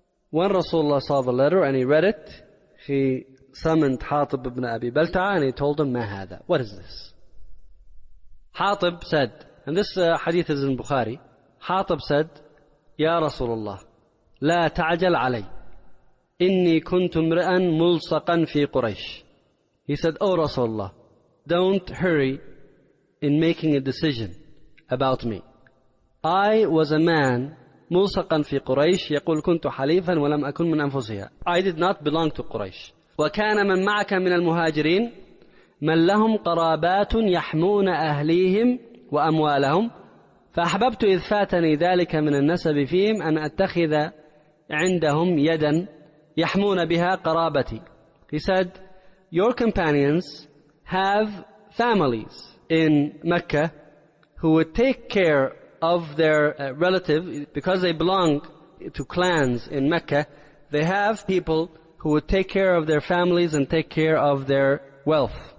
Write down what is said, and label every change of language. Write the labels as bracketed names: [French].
[English] When Rasulullah saw the letter and he read it, he summoned Hatib ibn Abi Balta'ah and he told him, [Arabic] ما هذا? [English] What is this? Hatib said, and this hadith is in Bukhari, Hatib said, Ya Rasulullah, [Arabic] لا تعجل علي. إني كنت امرئا ملصقا في قريش. [English] He said, O Rasulullah, don't hurry in making a decision about me. I was a man, [Arabic] ملصقا في قريش, يقول كنت حليفا ولم أكن من أنفسها. [English] I did not belong to Quraysh. [Arabic] وكان من معك من المهاجرين من لهم قرابات يحمون أهليهم وأموالهم فأحببت إذ فاتني ذلك من النسب فيهم أن أتخذ عندهم يدا يحمون بها قرابتي. [English] He said, your companions have families in Mecca who would take care of their relative because they belong to clans in Mecca. They have people who would take care of their families and take care of their wealth.